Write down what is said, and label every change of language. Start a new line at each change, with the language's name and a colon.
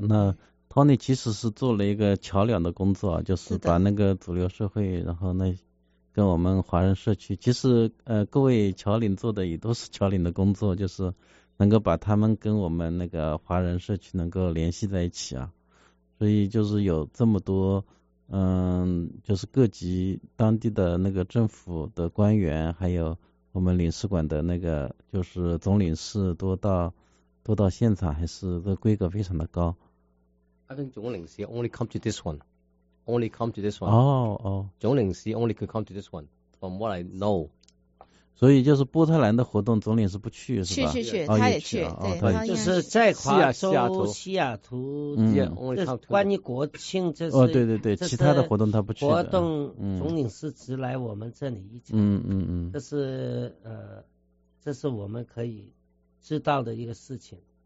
Chinese: 那 Tony 其实是做了一个桥梁的工作，就是把那个主流社会然后那跟我们华人社区，其实各位侨领做的也都是侨领的工作，就是能够把他们跟我们那个华人社区能够联系在一起啊。所以就是有这么多就是各级当地的那个政府的官员，还有我们领事馆的那个就是总领事都到现场，还是这规格非常的高。
English: I think 总领事 only come to this one. Only come to this one. Oh, oh. Zhong Lingxi only could come to this one, from what I know.
Chinese: 所以就是波特兰的活动，总领事不去是吧？去去去，哦、他也去、哦、对，对，就是在华州、西雅图，关于国庆这是哦，对对对，其他的活动他不去。活动总领事只来我们这里一场，这是这是我们可以知道的一个事情。